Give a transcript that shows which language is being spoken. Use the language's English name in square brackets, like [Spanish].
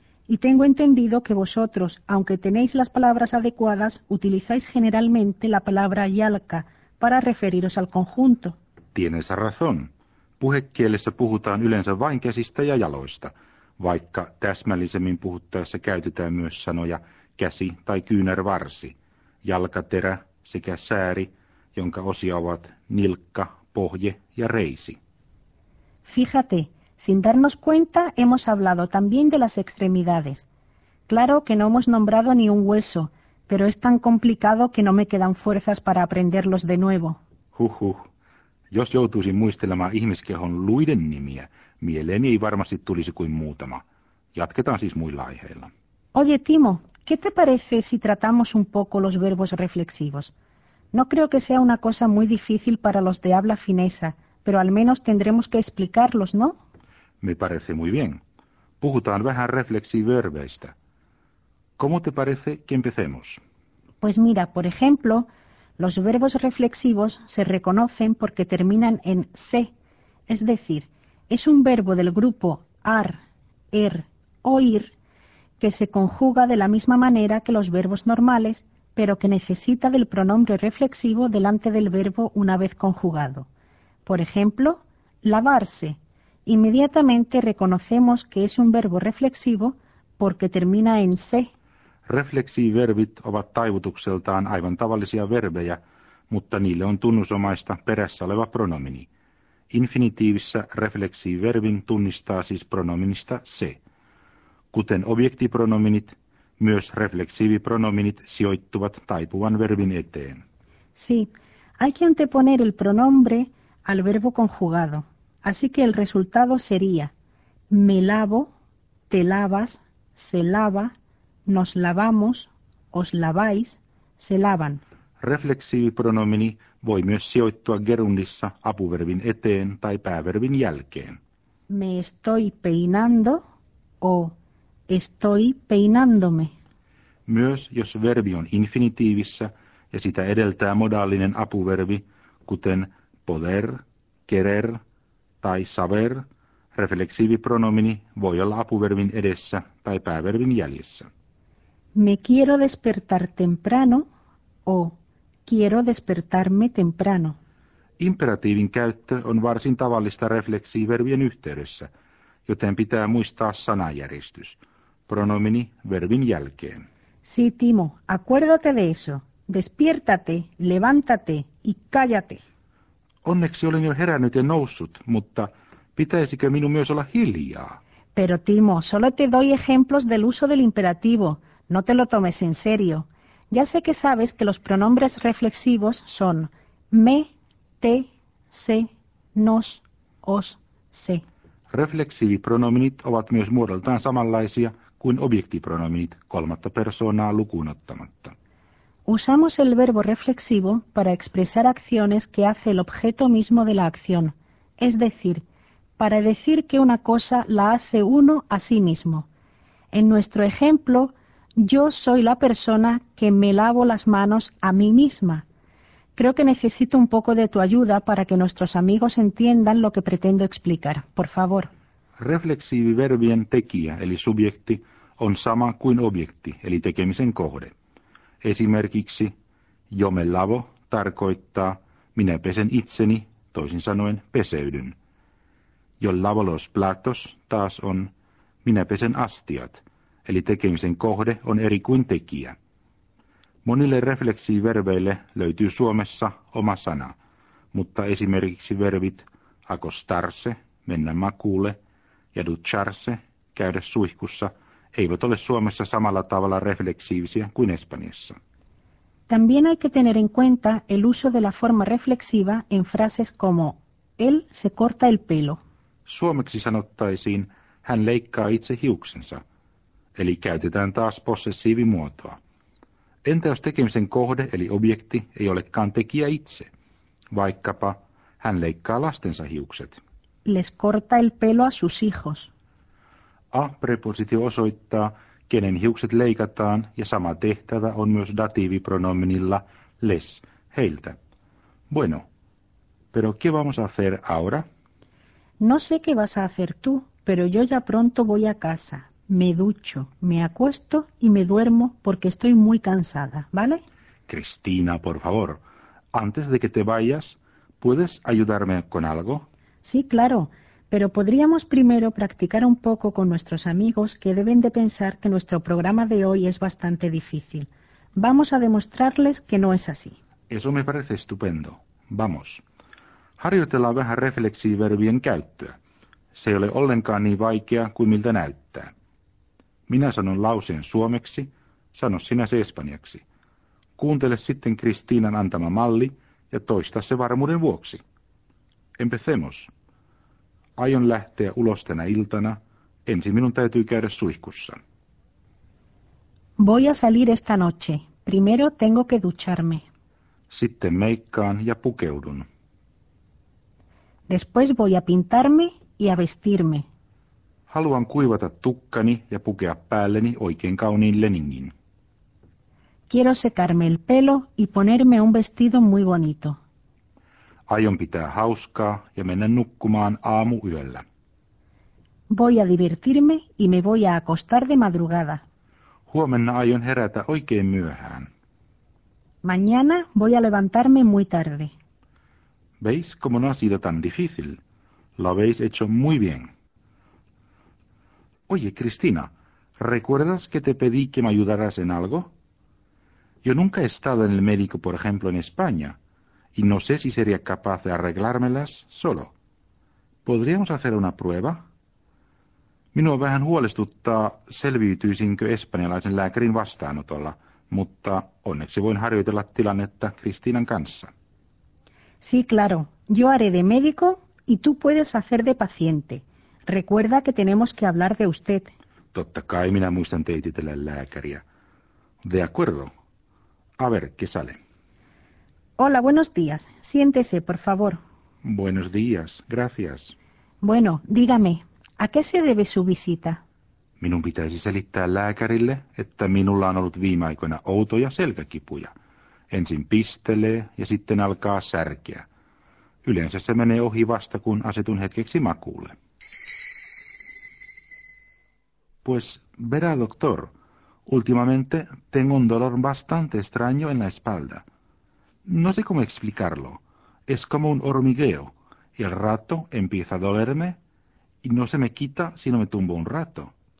[Spanish] Y tengo entendido que vosotros, aunque tenéis las palabras adecuadas, utilizáis generalmente la palabra jalka para referiros al conjunto. Tienes razón. [Finnish] Puhekielessä puhutaan yleensä vain käsistä ja jaloista, vaikka täsmällisemmin puhuttaessa käytetään myös sanoja käsi tai kyynärvarsi, jalkaterä sekä sääri, jonka osia ovat nilkka, pohje ja reisi. [Spanish] Fíjate. Sin darnos cuenta, hemos hablado también de las extremidades. Claro que no hemos nombrado ni un hueso, pero es tan complicado que no me quedan fuerzas para aprenderlos de nuevo. Huhhuh. [Finnish] Jos joutuisin muistelemaan ihmiskehon luiden nimiä, mieleeni ei varmasti tulisi kuin muutama. Jatketaan siis muilla aiheilla. [Spanish] Oye, Timo, ¿qué te parece si tratamos un poco los verbos reflexivos? No creo que sea una cosa muy difícil para los de habla finesa, pero al menos tendremos que explicarlos, ¿no? Me parece muy bien. [Finnish] Puhutaan vähän refleksiverbeistä. [Spanish] ¿Cómo te parece que empecemos? Pues mira, por ejemplo, los verbos reflexivos se reconocen porque terminan en se. Es decir, es un verbo del grupo ar, er, oír, que se conjuga de la misma manera que los verbos normales, pero que necesita del pronombre reflexivo delante del verbo una vez conjugado. Por ejemplo, lavarse. Inmediatamente reconocemos que es un verbo reflexivo porque termina en se. [Finnish] Refleksiverbit ovat taivutukseltaan aivan tavallisia verbejä, mutta niille on tunnusomaista perässä oleva pronomini. Infinitiivissä refleksiverbin tunnistaa siis pronominista se. Kuten objektipronominit, myös refleksiivipronominit sijoittuvat taipuvan verbin eteen. [Spanish] Sí, hay que anteponer el pronombre al verbo conjugado. Así que el resultado sería, me lavo, te lavas, se lava, nos lavamos, os laváis, se lavan. [Finnish] Refleksiivipronomini voi myös sijoittua gerundissa apuverbin eteen tai pääverbin jälkeen. [Spanish] Me estoy peinando o estoy peinándome. [Finnish] Myös jos verbi on infinitiivissä ja sitä edeltää modaalinen apuverbi, kuten poder, querer, tai saber, refleksiivipronomini voi olla apuverbin edessä tai pääverbin jäljessä. [Spanish] Me quiero despertar temprano o quiero despertarme temprano. [Finnish] Imperatiivin käyttö on varsin tavallista refleksiivervien yhteydessä, joten pitää muistaa sanajärjestys, pronomini verbin jälkeen. [Spanish] Sí, Timo, acuérdate de eso. Despiértate, levántate y cállate. [Finnish] Onneksi olen jo herännyt ja noussut, mutta pitäisikö minun myös olla hiljaa? [Spanish] Pero Timo, solo te doy ejemplos del uso del imperativo. No te lo tomes en serio. Ya sé que sabes que los pronombres reflexivos son me, te, se, nos, os, se. [Finnish] Reflexiivipronominit ovat myös muodoltaan samanlaisia kuin objektipronominit, kolmatta persoonaa lukuun ottamatta. [Spanish] Usamos el verbo reflexivo para expresar acciones que hace el objeto mismo de la acción, es decir, para decir que una cosa la hace uno a sí mismo. En nuestro ejemplo, yo soy la persona que me lavo las manos a mí misma. Creo que necesito un poco de tu ayuda para que nuestros amigos entiendan lo que pretendo explicar. Por favor. [Finnish] Reflexiiviverbien tekijä, eli subjekti, on sama kuin objekti, eli tekemisen kohde. Esimerkiksi [Spanish] yo me lavo [Finnish] tarkoittaa minä pesen itseni, toisin sanoen peseydyn. [Spanish] Yo lavo los platos [Finnish] taas on minä pesen astiat, eli tekemisen kohde on eri kuin tekijä. Monille refleksiiverbeille löytyy Suomessa oma sana, mutta esimerkiksi verbit acostarse, mennä makuulle, ja ducharse, käydä suihkussa, eivät ole Suomessa samalla tavalla refleksiivisiä kuin Espanjassa. [Spanish] También hay que tener en cuenta el uso de la forma reflexiva en frases como él se corta el pelo. [Finnish] Suomeksi sanottaisiin, hän leikkaa itse hiuksensa, eli käytetään taas possessiivimuotoa. Entä jos tekemisen kohde, eli objekti, ei olekaan tekijä itse? Vaikkapa hän leikkaa lastensa hiukset. [Spanish] Les corta el pelo a sus hijos. [Finnish] A-prepositio osoittaa, kenen hiukset leikataan, ja sama tehtävä on myös datiivipronominilla les, heiltä. [Spanish] Bueno, pero ¿qué vamos a hacer ahora? No sé qué vas a hacer tú, pero yo ya pronto voy a casa. Me ducho, me acuesto y me duermo porque estoy muy cansada, ¿vale? Cristina, por favor, antes de que te vayas, ¿puedes ayudarme con algo? Sí, claro, pero podríamos primero practicar un poco con nuestros amigos que deben de pensar que nuestro programa de hoy es bastante difícil. Vamos a demostrarles que no es así. Eso me parece estupendo. Vamos. [Finnish] Harjoitellaan vähän refleksiiverbien käyttöä. Se ei ole ollenkaan niin vaikea kuin miltä näyttää. Minä sanon lauseen suomeksi, sano sinä se espanjaksi. Kuuntele sitten Kristiinan antama malli ja toista se varmuuden vuoksi. [Spanish] Empecemos. [Finnish] Aion lähteä ulos tänä iltana. Ensin minun täytyy käydä suihkussa. [Spanish] Voy a salir esta noche. Primero tengo que ducharme. [Finnish] Sitten meikkaan ja pukeudun. [Spanish] Después voy a pintarme y a vestirme. [Finnish] Haluan kuivata tukkani ja pukea päälleni oikein kauniin leningin. [Spanish] Quiero secarme el pelo y ponerme un vestido muy bonito. [Finnish] Aion pitää hauskaa ja mennä nukkumaan aamuyöllä. [Spanish] Voy a divertirme y me voy a acostar de madrugada. [Finnish] Huomenna aion herätä oikein myöhään. [Spanish] Mañana voy a levantarme muy tarde. ¿Veis cómo no ha sido tan difícil? Lo habéis hecho muy bien. Oye, Cristina, ¿recuerdas que te pedí que me ayudaras en algo? Yo nunca he estado en el médico, por ejemplo, en España, y no sé si sería capaz de arreglármelas solo. ¿Podríamos hacer una prueba? [Finnish] Minua vähän huolestuttaa, selviytyisinkö espanjalaisen lääkärin vastaanotolla, mutta onneksi voin harjoitella tilannetta Cristinan kanssa. [Spanish] Sí, claro. Yo haré de médico y tú puedes hacer de paciente. Recuerda que tenemos que hablar de usted. [Finnish] Totta kai minä muistan teititellä lääkäriä. [Spanish] De acuerdo. A ver, ¿qué sale? Hola, buenos días. Siéntese, por favor. Buenos días. Gracias. Bueno, dígame, ¿a qué se debe su visita? [Finnish] Minun pitäisi selittää lääkärille, että minulla on ollut viime aikoina outoja selkäkipuja. Ensin pistelee ja sitten alkaa särkeä. Yleensä se menee ohi vasta, kun asetun hetkeksi makuulle. [Spanish] Pues, verá, doctor, últimamente tengo un dolor bastante extraño en la espalda. No sé cómo explicarlo. Es como un hormigueo. Y al rato empieza a dolerme y no se me quita si no me tumbo un rato.